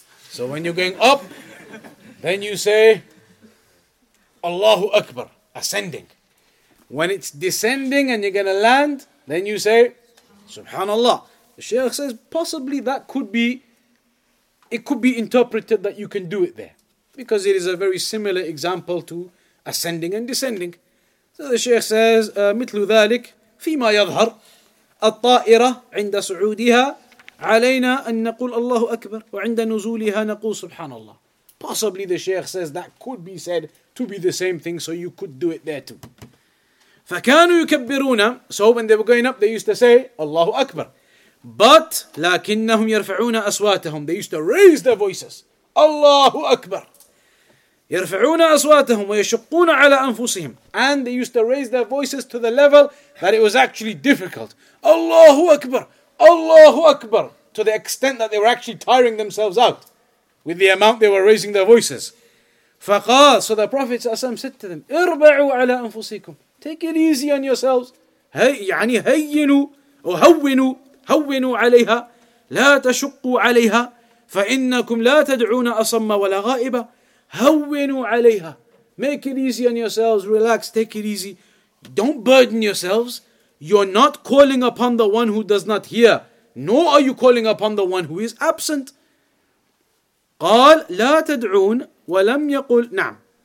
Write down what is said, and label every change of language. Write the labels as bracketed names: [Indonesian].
[English] So when you're going up, then you say, Allahu Akbar, ascending. When it's descending and you're going to land, then you say, Subhanallah. The Shaykh says, possibly that could be, it could be interpreted that you can do it there. Because it is a very similar example to ascending and descending. So the Shaykh says, [Arabic] مِثْلُ ذَلِكْ فِي مَا يَظْهَرْ الطَّائِرَةِ عِنْدَ سُعُودِهَا عَلَيْنَا أَن نَقُولَ اللَّهُ أَكْبَرُ وَعِنْدَ نُزُولِهَا نَقُولَ سُبْحَانَ اللَّهُ. [English] Possibly the Shaykh says that could be said to be the same thing, so you could do it there too. [Arabic] فَكَانُوا يُكَبِّرُونَ. [English] So when they were going up, they used to say, Allahu Akbar. [Arabic] But, لَكِنَّهُمْ يَرْفَعُونَ أَصْوَاتَهُمْ. [English] They used to raise their voices. [Arabic] Allahu Akbar. يَرْفَعُونَ أَصْوَاتَهُمْ وَيَشُقُّونَ عَلَىٰ أَنفُسِهِمْ. [English] And they used to raise their voices to the level that it was actually difficult. [Arabic] Allahu Akbar. Allahu Akbar. [English] To the extent that they were actually tiring themselves out with the amount they were raising their voices. [Arabic] فَقَالَ. [English] So the Prophet ﷺ said to them, [Arabic] اِرْبَعُوا عَلَىٰ أَنفُسِكُمْ. [English] Take it easy on yourselves. [Arabic] يعني هينوا أو هونوا هونوا عليها لا تشقوا عليها فإنكم لا تدعون أصم ولا غائبة هونوا عليها. [English] Make it easy on yourselves. Relax. Take it easy. Don't burden yourselves. You're not calling upon the one who does not hear, nor are you calling upon the one who is absent. [Arabic] قال لا تدعون ولم يقل نعم.